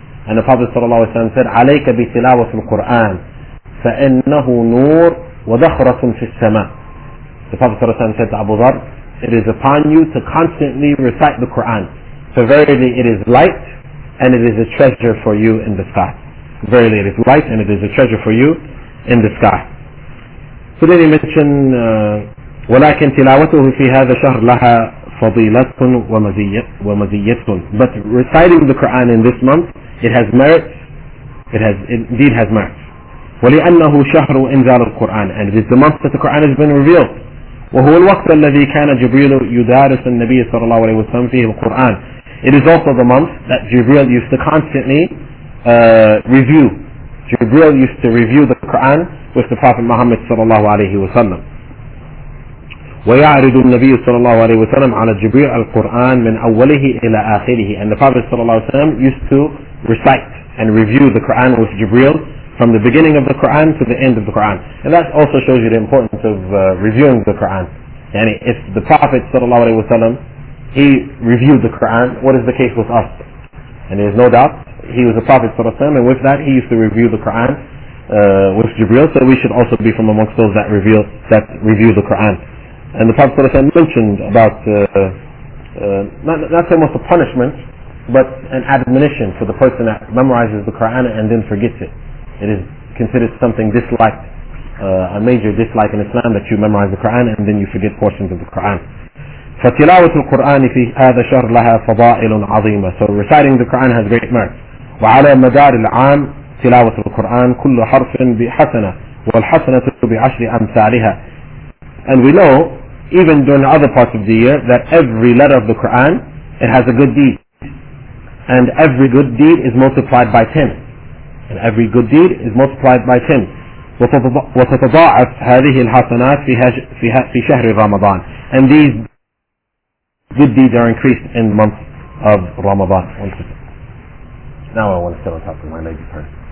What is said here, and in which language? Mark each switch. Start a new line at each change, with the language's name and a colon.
English: And the Prophet sallallahu alayhi wa sallam said,
Arabic: عليك بتلاوة القرآن فإنه نور وذخرة في السماء.
English: The Prophet sallallahu alayhi wa sallam said to Abu Dharr, it is upon you to constantly recite the Quran. So verily it is light and it is a treasure for you in the sky. Verily it is light and it is a treasure for you in the sky. So then he mentioned,
Arabic: وَلَكِنْ تِلَاوَتُهُ فِي هَذَا شَهْرٌ لَهَا فَضِيلَةٌ وَمَزِيَّةٌ.
English: But reciting the Quran in this month, it has merits. It indeed has merits.
Arabic: وَلِأَنَّهُ شَهْرُ إِنْزَالُ الْقُرْآنِ.
English: And it is the month that the Quran has been revealed.
Arabic: وهو الوقت الذي كان جبريل يدارس النبي صلى الله عليه وسلم فيه القرآن.
English: It is also the month that Jibril used to constantly review. Jibril used to review the Quran with the Prophet Muhammad sallallahu alaihi wasallam.
Arabic: ويعرض النبي صلى الله عليه وسلم على جبريل القرآن من أوله إلى آخره.
English: And the Prophet صلى الله عليه وسلم used to recite and review the Quran with Jibreel from the beginning of the Quran to the end of the Quran. And that also shows you the importance of reviewing the Quran. And if the Prophet صلى الله عليه وسلم, he reviewed the Quran, what is the case with us? And there's no doubt, he was a Prophet صلى الله عليه وسلم, and with that he used to review the Quran with Jibreel, so we should also be from amongst those that review the Quran. And the Prophet ﷺ mentioned about not so much a punishment, but an admonition for the person that memorizes the Quran and then forgets it. It is considered something disliked, a major dislike in Islam, that you memorize the Quran and then you forget portions of the Quran.
Arabic: فتلاوة القرآن في هذا الشهر لها فضائل عظيمة.
English: So reciting the Quran has great merit.
Arabic: وعلى مدار العام تلاوة القرآن كل حرف بحسنة والحسنة بعشر أمثالها.
English: And we know, even during the other parts of the year, that every letter of the Quran, it has a good deed. And every good deed is multiplied by 10. And every good deed is multiplied by 10.
Arabic: وتتضاعف هذه الحسنات في شهر رمضان.
English: And these good deeds are increased in the month of Ramadan. Now I want to sit on top of my lady purse.